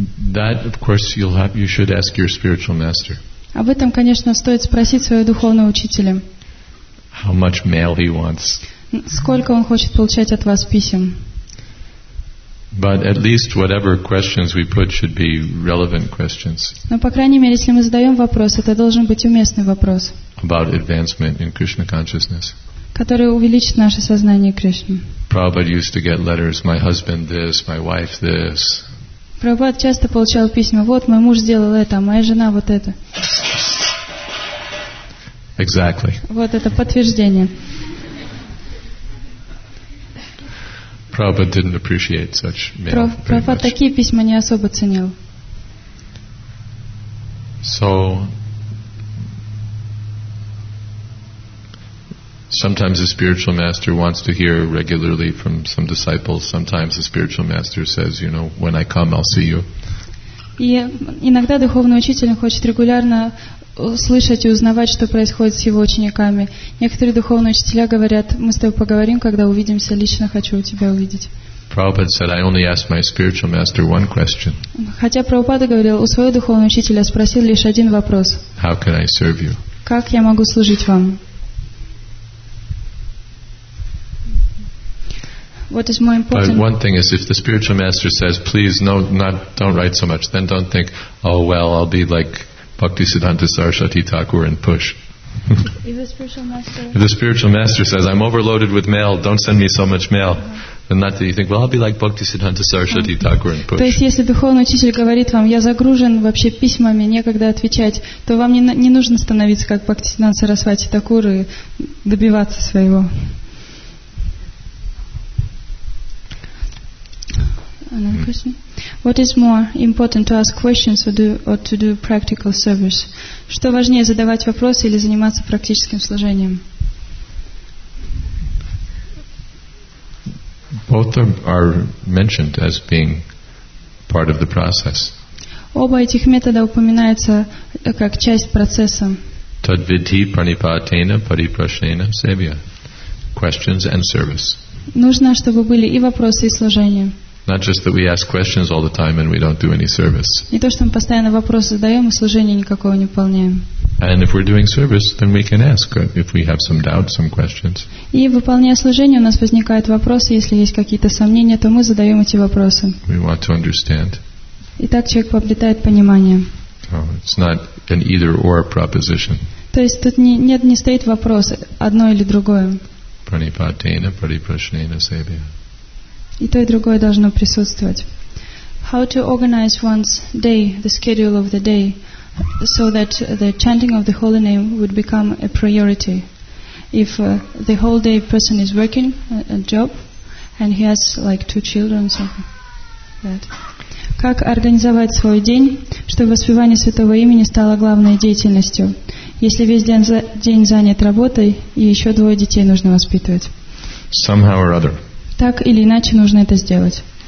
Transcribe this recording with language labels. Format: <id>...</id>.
<en>That, of course, you should ask your spiritual master.</en> <ru>Об этом, конечно, стоит спросить своего духовного учителя.</ru> <en>How much mail he wants.</en> <ru>Сколько он хочет получать от вас писем?</ru> <en>But at least whatever questions we put should be relevant questions.</en> <ru>Но по крайней мере, если мы задаем вопрос, это должен быть уместный вопрос.</ru> <en>About advancement in Krishna consciousness.</en> <ru>Который увеличит наше сознание Кришны.</ru> <en>Prabhupada used to get letters, my husband this, my wife this.</en> <ru>Прабхупада часто получал письма, вот мой муж сделал это, а моя жена вот это.</ru> <en>Exactly.</en> <ru>Вот это подтверждение.</ru> <en>Prabhupada didn't appreciate such mail.</en> <ru>Prabhupada такие письма не особо ценил.</ru> <en>So sometimes a spiritual master wants to hear regularly from some disciples. Sometimes a spiritual master says, you know, when I come, I'll see you.</en> <ru>И иногда духовный учитель хочет регулярно услышать и узнавать, что происходит с его учениками. Некоторые духовные учителя говорят, мы с тобой поговорим, когда увидимся, лично хочу у тебя увидеть.</ru> <en>Prabhupada said, I only asked my spiritual master one question.</en> <ru>Хотя Прабхупада говорил, у своего духовного учителя спросил лишь один вопрос.</ru> <en>How can I serve you?</en> <ru>Как я могу служить вам?</ru> <en>What is more important? One thing is, if the spiritual master says, please, no, not, don't write so much, then don't think, oh, well, I'll be like Bhaktisiddhanta Saraswati Thakur and push. If the spiritual master says, I'm overloaded with mail, don't send me so much mail, then not that you think, well, I'll be like Bhaktisiddhanta Saraswati Thakur and push.</en> <ru>То есть, если духовный учитель говорит вам, я загружен вообще письмами, некогда отвечать, то вам не нужно становиться как Бхактисиддханта Сарасвати Такур и добиваться своего.</ru> <en>Another question. What is more important, to ask questions or to do practical service?</en> <ru>Что важнее, задавать вопросы или заниматься практическим служением?</ru> <en>Both are mentioned as being part of the process.</en> <ru>Оба этих метода упоминаются как часть процесса.</ru> <sa>Tadvidhi pranipatena pariprashnena sevya.</sa> <en>Questions and service.</en> <ru>Нужно, чтобы были и вопросы, и служение.</ru> <en>Not just that we ask questions all the time and we don't do any service.</en> <ru>Не то, что мы постоянно вопросы задаем и служения никакого не выполняем.</ru> <en>And if we're doing service, then we can ask if we have some doubts, some questions.</en> <ru>И выполняя служение, у нас возникают вопросы, если есть какие-то сомнения, то мы задаем эти вопросы.</ru> <en>We want to understand.</en> <ru>И так человек приобретает понимание.</ru> <en>Oh, it's not an either-or proposition.</en> <ru>То есть тут не стоит вопрос одно или другое.</ru> <sa>Pranipatena, pariprashnena, sevya.</sa> <ru>И то, и другое должно присутствовать.</ru> <en>How to organize one's day, the schedule of the day, so that the chanting of the holy name would become a priority. If the whole day person is working a job and he has like two children, something like that.</en> <ru>Как организовать свой день, чтобы воспевание святого имени стало главной деятельностью, если весь день занят работой и еще двое детей нужно воспитывать?</ru> <en>Somehow or other.</en> <ru>Так или иначе нужно это сделать.</ru>